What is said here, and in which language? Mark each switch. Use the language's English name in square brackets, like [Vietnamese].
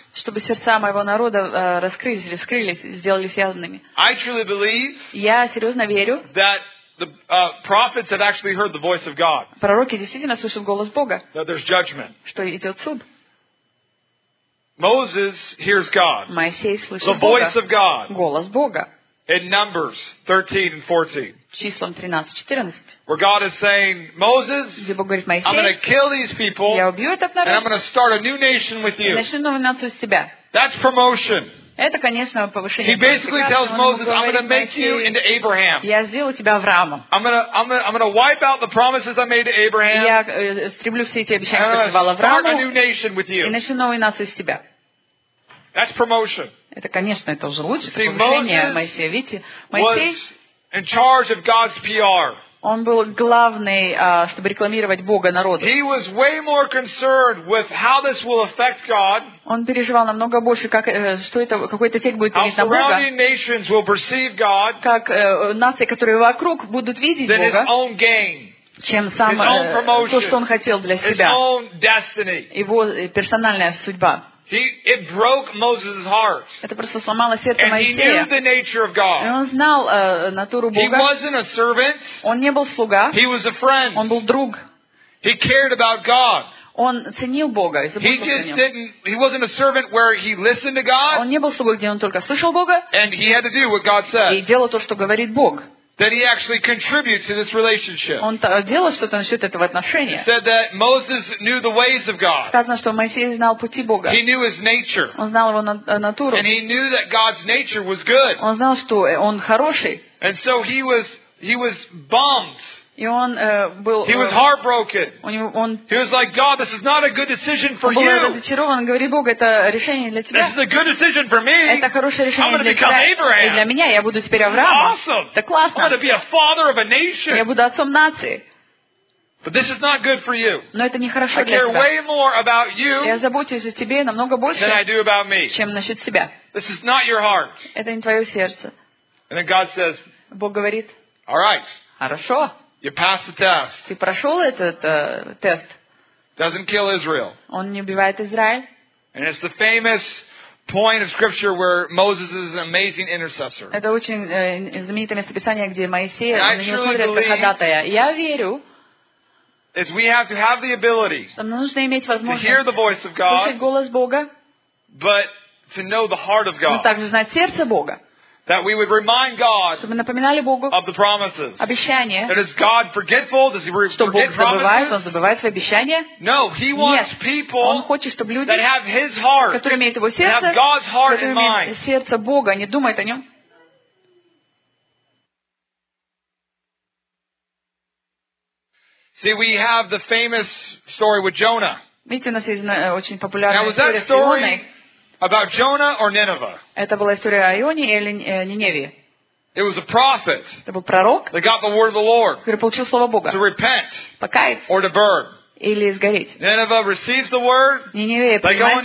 [Russian] Чтобы сердца моего народа раскрылись, раскрылись, сделались явными. [English] I truly believe. [Russian] Я серьезно верю. [English] That the prophets have actually heard the voice of God. [Russian] Пророки действительно слышат голос Бога. [English] That there's judgment. [Russian] Что идет суд. [English] Moses hears God. [Russian] Моисей слышит Бога. [English] The voice of God. [Russian] Голос Бога. [English] In Numbers 13 and 14. [Russian] Числом 13-14. [English] Where God is saying, Moses, [Russian] где Бог говорит, Моисей, [English] I'm going to kill these people. [Russian] Я убью этот народ. [English] And I'm going to start a new nation with you. [Russian] И начну новую нацию с тебя. [English] That's promotion. [Russian] Это, конечно, повышение. [English] He basically tells Moses, I'm going to make you into Abraham. [Russian] Я сделаю тебя Авраамом. [English] I'm going to wipe out the promises I made to Abraham. [Russian] Я стремлю все эти обещания, которые давал Аврааму. [English] Start a new nation with you. [Russian] И начну новую нацию с тебя. [English] That's promotion. [Russian] Это, конечно, это уже лучше, это повышение, Моисея. Видите, Моисей [English] was in charge of God's PR. [Russian] Он был главный, чтобы рекламировать Бога народу. [English] He was way more concerned with how this will affect God. [Russian] Он переживал намного больше, как, что это, какой эффект будет иметь на Бога. [English] How surrounding nations will perceive God. [Russian] Как нации, которые вокруг, будут видеть Бога. [English] Than his own gain. [Russian] Чем сам, [English] his own promotion. [Russian] То, что он хотел для себя. [English] His own destiny. [Russian] Его персональная судьба. [English] It broke Moses' heart. [Russian] Это просто сломало сердце Моисея. [English] And he knew the nature of God. [Russian] И он знал натуру Бога. [English] He wasn't a servant. [Russian] Он не был слуга. [English] He was a friend. [Russian] Он был друг. [English] He cared about God. [Russian] Он ценил Бога. [English] He just didn't. He wasn't a servant where he listened to God. [Russian] Он не был слугой, где он только слышал Бога. [English] And he had to do what God said. [Russian] И делал то, что говорит Бог. [English] That he actually contributes to this relationship. [Russian] Он делал что-то насчет этого отношения. [English] Said that Moses knew the ways of God. [Russian] Сказано, что Моисей знал пути Бога. [English] He knew his nature. [Russian] Он знал его натуру. [English] And he knew that God's nature was good. [Russian] Он знал, что он хороший. [English] And so he was bummed. [Russian] И он был. [English] He was heartbroken. [Russian] Он. [English] He was like, God, this is not a good decision for you. [Russian] Он был разочарован. Говорит, Бог, это решение для тебя. [English] This is a good decision for me. [Russian] Это хорошее решение для тебя. [English] I'm going to become Abraham. [Russian] И для меня, я буду теперь Авраам. [English] Awesome. [Russian] Это классно. [English] I'm going to be a father of a nation. [Russian] Я буду отцом нации. [English] But this is not good for you. [Russian] Но это не хорошо для тебя. [English] I care way more about you. [Russian] Я забочусь о тебе намного больше. [English] Than I do about me. [Russian] Чем насчет себя. [English] This is not your heart. [Russian] Это не твое сердце. [English] And then God says. [Russian] Бог говорит. [English] All right. [Russian] Хорошо. [English] You passed the test. [Russian] Ты прошел этот тест. [English] Doesn't kill Israel. [Russian] Он не убивает Израиль. [English] And it's the famous point of scripture where Moses is an amazing intercessor. [Russian] Это очень знаменитое место Писания, где Моисей на него смотрит как ходатая. Я верю. [English] Is we have to have the ability. [Russian] Нужно иметь возможность. [English] To hear the voice of God. [Russian] Слышать голос Бога. [English] But to know the heart of God. [Russian] Но также знать сердце Бога. [English] That we would remind God of the promises. [Russian] Обещания. [English] That is God forgetful? Does he forget promises? [Russian] Что Бог забывает? Он забывает свои обещания? [English] No, he wants people. [Russian] Он хочет, чтобы люди, [English] that have his heart, [Russian] которые имеют его сердце, [English] have God's heart in mind. [Russian] Сердце Бога, они думают о нем. [English] See, we have the famous story with Jonah. [Russian] Видите, у нас есть очень популярная история с Ионой. [English] Now, was that story about Jonah or Nineveh? [Russian] Это была история о Ионе или Ниневе. [English] It was a prophet. [Russian] Это был пророк. [English] That got the word of the Lord. [Russian] Который получил слово Бога. [English] To repent. [Russian] Покаяться. [English] Or to burn. [Russian] Или сгореть. [English] Nineveh receives the word. [Russian] Ниневе принимает слово.